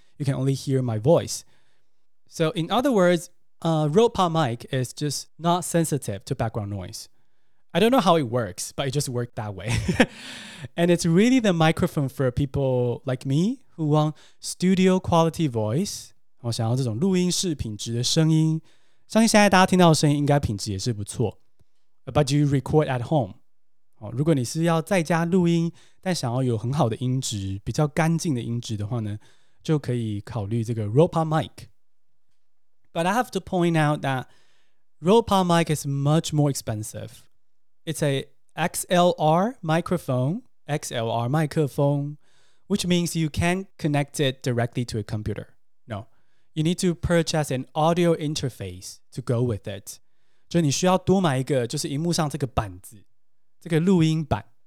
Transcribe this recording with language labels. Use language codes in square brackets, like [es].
[en] You can only hear my voice. So in other words, Rode PodMic is just not sensitive to background noise. I don't know how it works, but it just worked that way. And it's really the microphone for people like me who want studio quality voice. [zh] 我想要这种录音室品质的声音。相信现在大家听到的声音应该品质也是不错。 [en] But you record at home. [zh] 如果你是要在家录音但想要有很好的音质比较干净的音质的话呢就可以考虑这个 Rode PodMic [en] But I have to point out that Rode PodMic is much more expensive It's a XLR microphone XLR 麦克风 Which means you can't connect it directly to a computer No, you need to purchase an audio interface to go with it [zh] 就你需要多买一个就是萤幕上这个板子这个录音板